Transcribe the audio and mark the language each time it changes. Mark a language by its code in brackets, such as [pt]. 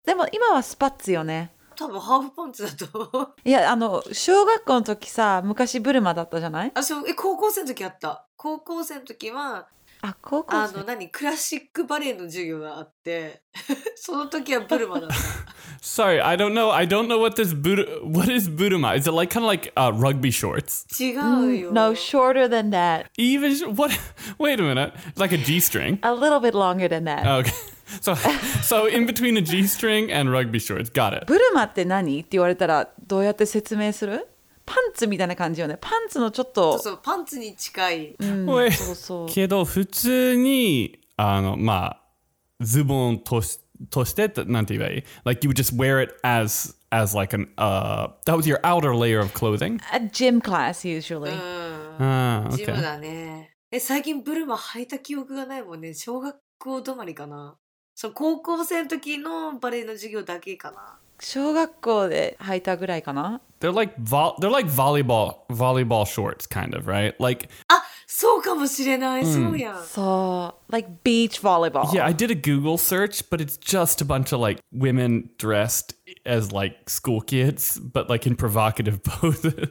[ja] でも今はスパッツよね。多分ハーフパンツだと。いや、あの、小学校の時さ、昔ブルマだったじゃない？あ、そう、高校生の時あった。高校生の時は、あ、高校生？あの、何？クラシックバレエの授業があって、その時はブルマだった。 [en] Sorry, I don't know what this what is ブルマ? Is it like, kind of like, rugby shorts? [ja] 違うよ。 [en] No, shorter than that. Even, what, wait a minute, like a G-string? A little bit longer than that. Okay, so in between a G-string and rugby shorts, got it. [ja] ブルマって何？って言われたらどうやって説明する？パンツみたいな感じよね。パンツのちょっと、そうそう、パンツに近い。けど普通にあの、まあ、ズボンとしてなんて言えばいい？ [en] Like you would just wear it as like an that was your outer layer of clothing. A gym class usually. Okay. [ja] ジムだね。最近ブルマ履いた記憶がないもんね。小学校止まりかな。その高校生の時のバレエの授業だけかな。小学校で履いたぐらいかな。 [en] They're like volleyball shorts, kind of, right? Like, [ja] ah, そうかもしれない。そうや。 [en] そう。Like beach volleyball. Yeah, I did a Google search, but it's just a bunch of like women dressed as like school kids, but like in provocative poses.